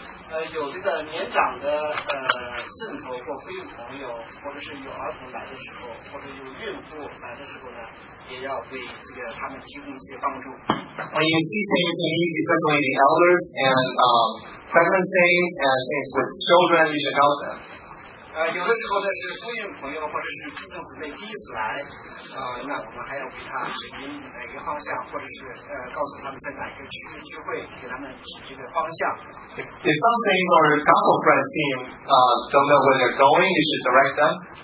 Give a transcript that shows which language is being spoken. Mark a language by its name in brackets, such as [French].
[Chinese] 有这个年长的信徒或非裔朋友，或者是有儿童来的时候，或者有孕妇来的时候呢，也要对这个他们提供一些帮助。When [English] you see things in need, especially the elders and pregnant saints and things with children, you should help them. [Chinese] 有的时候呢是妇女朋友或者是弟兄姊妹第一次来，那我们还要给他指明哪个方向，或者是告诉他们在哪个区域聚会，给他们指这个方向。If [English] some saints or gospel friends seem don't know where they're going, you should direct them.